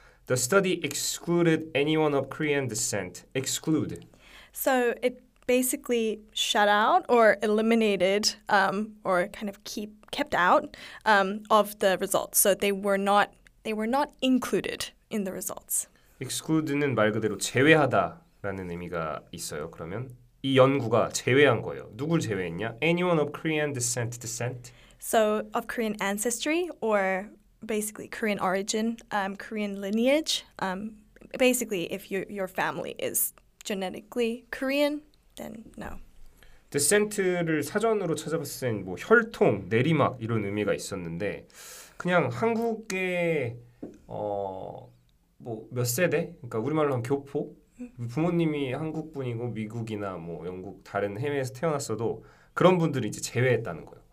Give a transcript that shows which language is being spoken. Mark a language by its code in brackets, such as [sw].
[en] The study excluded anyone of Korean descent. Exclude. So it basically shut out or eliminated or kind of kept out of the results. So they were not included in the results. [ko] Exclude는 말 그대로 제외하다라는 의미가 있어요. 그러면 이 연구가 제외한 거예요. 누굴 제외했냐? [en] Anyone of Korean descent. So of Korean ancestry or basically Korean origin, Korean lineage. Basically, if your family is genetically Korean, then no. [ko] Descent를 사전으로 찾아봤을 땐 뭐 혈통, 내리막 이런 의미가 있었는데 그냥 한국의 뭐 몇 세대? 그러니까 우리말로 하면 교포? 부모님이 한국 분이고 미국이나 뭐 영국 다른 해외에서 태어났어도 그런 분들이 이제 제외했다는 거예요.